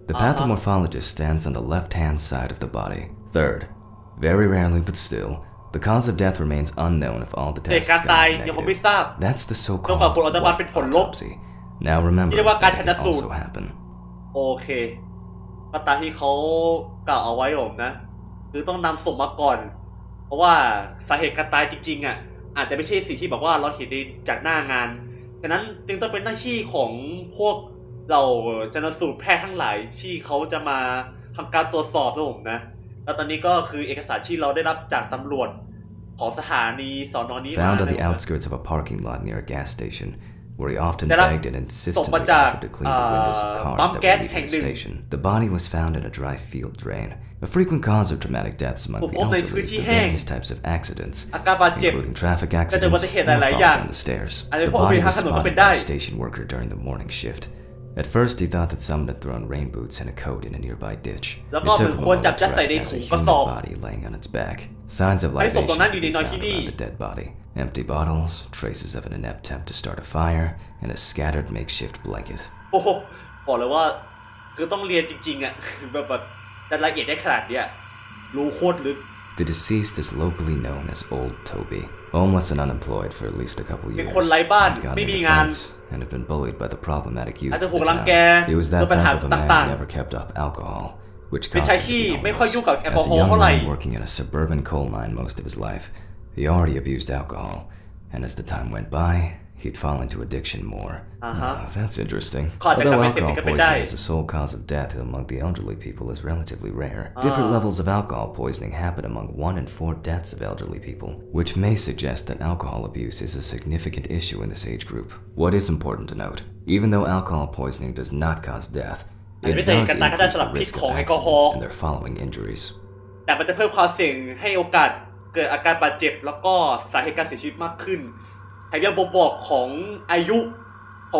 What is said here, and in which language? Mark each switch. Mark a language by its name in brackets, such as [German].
[English] The pathomorphologist stands on the left-hand side of the body. Third, very rarely but still, the cause of death remains unknown if all the tests come negative. That's the so-called autopsy. Now remember, that can also happen. Okay. That's what he said. You have to bring the body first. [Thai] เพราะว่าสาเหตุการตายจริงๆอ่ะอาจจะไม่ใช่สิ่งที่บอกว่าเราเห็นได้จากหน้างานฉะนั้นจึงต้องเป็นหน้าที่ของพวกเราชนสูตรแพทย์ทั้งหลายที่เขาจะมาทำการตรวจสอบนะผมนะแล้วตอนนี้ก็คือเอกสารที่เราได้รับจากตำรวจของสถานีสน. นี้ [English] Found on the outskirts of a parking lot near a gas station where he often begged and insisted to clean the windows of cars that were leaving the station. The body was found in a dry field drain. A frequent cause of traumatic deaths among the elderly is the various types of accidents, including traffic accidents and falling down the stairs. The body was spotted by a station worker during the morning shift. At first, he thought that someone had thrown rain boots and a coat in a nearby ditch. It took a moment to recognize a human body laying on its back. Signs of life were found around the dead body. Empty bottles, traces of an inept attempt to start a fire, and a scattered makeshift blanket. [Thai] Oh, บอกเลยว่าคือต้องเรียนจริงๆอ่ะแบบแต่ละเอียดได้ขนาดเนี้ยรู้โคตรลึก [English] The deceased is locally known as Old Toby, homeless and unemployed for at least a couple years. [Thai] เป็นคนไร้บ้านไม่มีงาน [English] and have been bullied by the problematic youth. [Thai] อาจจะ ถูกรังแก เป็นปัญหาต่างๆ [English] It was that type of man never kept up alcohol, which caused him to be homeless. As a young man working in a suburban coal mine most of his life, he already abused alcohol, and as the time went by, he'd fall into addiction more. Uh-huh. That's interesting. Although alcohol poisoning is the sole cause of death among the elderly people is relatively rare. Different levels of alcohol poisoning happen among 1 in 4 deaths of elderly people, which may suggest that alcohol abuse is a significant issue in this age group. What is important to note, even though alcohol poisoning does not cause death, it does increase the risk of accidents and their following injuries. [Thai] แต่มันจะเพิ่มความเสี่ยงให้โอกาสเกิดอาการบาดเจ็บแล้วก็สาเหตุการเสียชีวิตมากขึ้นแถมยังบ่งบอกของอายุข